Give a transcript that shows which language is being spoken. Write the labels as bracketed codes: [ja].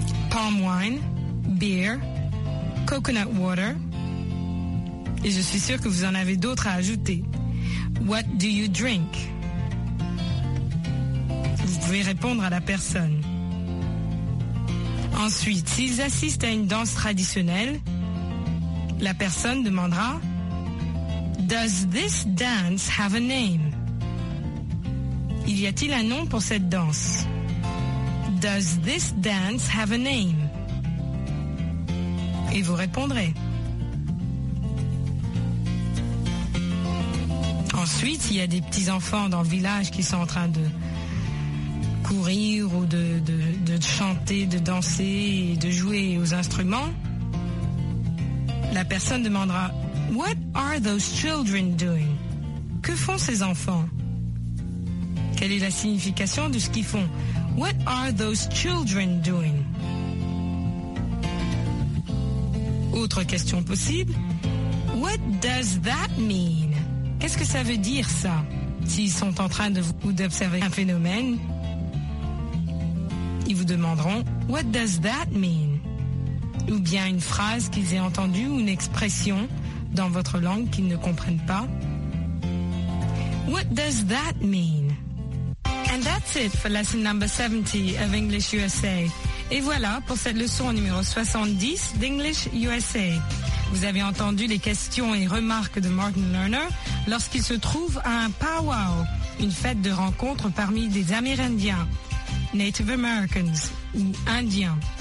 [en] Palm wine, beer, coconut water. [fr] Et je suis sûre que vous en avez d'autres à ajouter. [en] What do you drink? [fr] Vous pouvez répondre à la personne. Ensuite, s'ils assistent à une danse traditionnelle, la personne demandera [en] Does this dance have a name? [fr] Y a-t-il un nom pour cette danse? [en] Does this dance have a name? [fr] Et vous répondrez. Ensuite, il y a des petits enfants dans le village qui sont en train de courir ou de chanter, de danser et de jouer aux instruments. La personne demandera, [en] What are those children doing? [fr] Que font ces enfants? Quelle est la signification de ce qu'ils font? [en] What are those children doing? [fr] Autre question possible. [en] What does that mean? [fr] Qu'est-ce que ça veut dire, ça? S'ils sont en train de vous d'observer un phénomène, ils vous demanderont [en] What does that mean? [fr] Ou bien une phrase qu'ils aient entendue ou une expression dans votre langue qu'ils ne comprennent pas. [en] What does that mean? And that's it for lesson number 70 of English USA. [fr] Et voilà pour cette leçon numéro 70 d'English USA. Vous avez entendu les questions et remarques de Martin Lerner lorsqu'il se trouve à un powwow, une fête de rencontre parmi des Amérindiens, Native Americans ou Indiens.